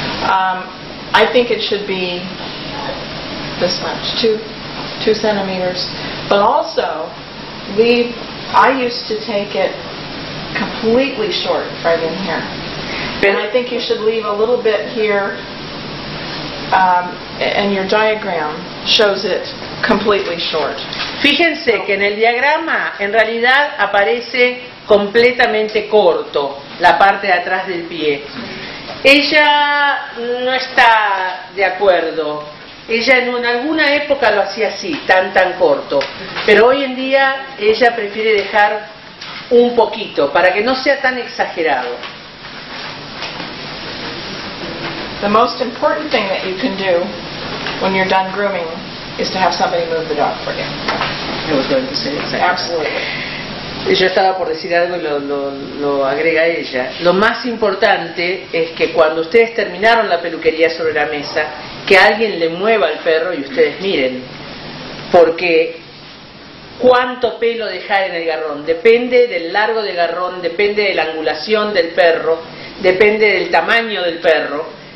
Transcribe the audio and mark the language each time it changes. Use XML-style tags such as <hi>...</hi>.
<en>I think it should be this much, two centimeters. But also, I used to take it completely short right in here. But I think you should leave a little bit here, and your diagram shows it completely short.</en> <es>Fíjense que en el diagrama, en realidad, aparece completamente corto la parte de atrás del pie. Ella no está de acuerdo. Ella en alguna época lo hacía así, tan corto. Pero hoy en día ella prefiere dejar un poquito para que no sea tan exagerado.</es> <en>The most important thing that you can do when you're done grooming is to have somebody move the dog for you. I was going to say exactly. Absolutely.</en> <es>Ella estaba por decir algo y lo agrega ella. Lo más importante es que cuando ustedes terminaron la peluquería sobre la mesa, que alguien le mueva al perro y ustedes miren. Porque cuánto pelo dejar en el garrón depende del largo del garrón, depende de la angulación del perro, depende del tamaño del perro.</es>